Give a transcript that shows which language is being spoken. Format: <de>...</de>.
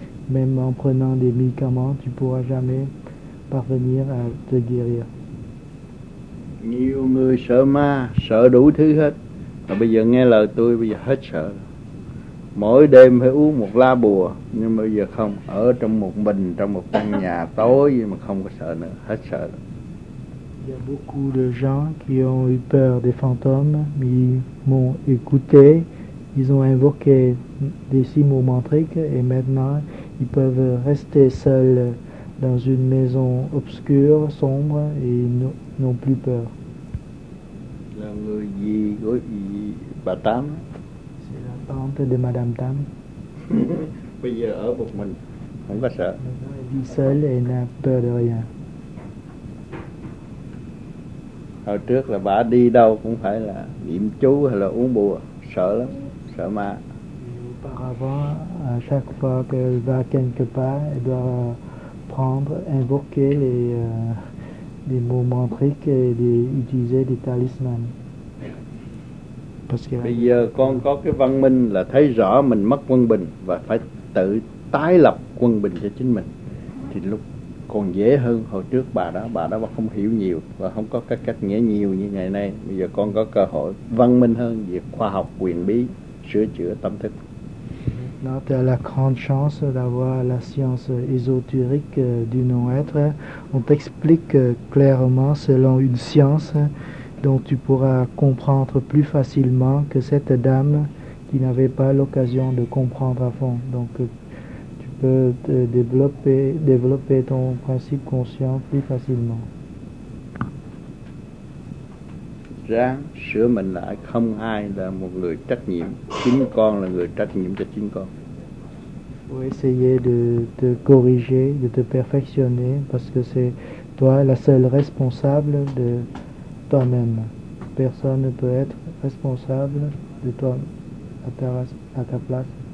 <fr>Même en prenant des médicaments, tu ne pourras jamais parvenir à te guérir.</fr> <vi>Nhiều người sợ ma, sợ đủ thứ hết. Mà bây giờ nghe lời tôi, bây giờ hết sợ. Mỗi đêm phải uống một lá bùa, nhưng mà bây giờ không, ở trong một mình, trong một căn nhà tối nhưng mà không có sợ nữa, hết sợ.</vi> <fr>Il y a beaucoup de gens qui ont eu peur des fantômes, mais ils m'ont écouté, ils ont invoqué des six mouvements tricks et maintenant ils peuvent rester seuls dans une maison obscure, sombre et n'ont plus peur.</fr> <vi>Là người gì của bà Tám?</vi> <fr>Tante de Madame Tam.</fr> <vi>Bây giờ ở một mình không có sợ.</vi> <fr>Đi seul et n'a peur de rien.</fr> <vi>Hồi trước là bà đi đâu cũng phải là niệm chú hay là uống bùa, sợ lắm, sợ ma.</vi> <fr>Auparavant, à chaque fois qu'elle va quelque part, elle doit prendre, invoquer les mots mantriques et utiliser des talismans. Parce que</fr> <vi>bây giờ con có cái văn minh là thấy rõ mình mất quân bình và phải tự tái lập quân bình cho chính mình. Thì lúc còn dễ hơn hồi trước bà đó không hiểu nhiều và không có cái cách nghĩa nhiều như ngày nay. Bây giờ con có cơ hội văn minh hơn, việc khoa học quyền bí sửa chữa tâm thức.</vi> <fr>Là tu as la grande chance d'avoir la science ésotérique du non-être. On t'explique clairement selon une science dont tu pourras comprendre plus facilement que cette dame qui n'avait pas l'occasion de comprendre à fond. Donc tu peux développer ton principe conscient plus facilement.</fr> <vi>Ráng sửa mình lại, không ai là một người trách nhiệm, chính con là người trách nhiệm cho chính con.</vi> <fr>Pour essayer de te corriger, de te perfectionner, parce que c'est toi la seule responsable de toi-même. Personne ne peut être responsable de toi à ta place.</fr>